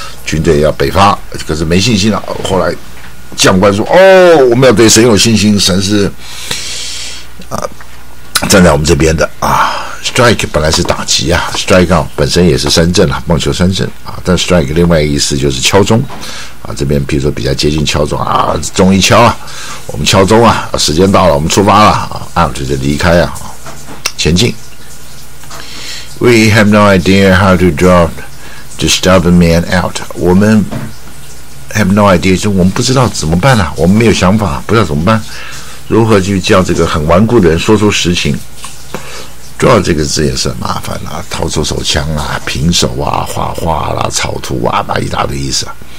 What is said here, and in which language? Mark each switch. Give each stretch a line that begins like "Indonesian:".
Chinese: 军队要北伐，可是没信心了。后来将官说：“哦，我们要对神有信心，神是啊站在我们这边的啊。 ”Strike 本来是打击啊 ，strike out 本身也是三振啊，棒球三振啊。但 strike 另外一个意思就是敲钟啊，这边比如说比较接近敲钟啊，钟一敲啊，我们敲钟啊，时间到了，我们出发了啊 ，out 就是离开啊。前进。
English: We have no idea how to drive the stubborn man out.
Chinese: 我们 have no idea，就我们不知道怎么办了、啊，我们没有想法，不知道怎么办，如何去叫这个很顽固的人说出实情。 drive 这个字也是很麻烦啊，掏出手枪啊，平手啊，画画啦、啊，草图啊，那一大堆意思、啊。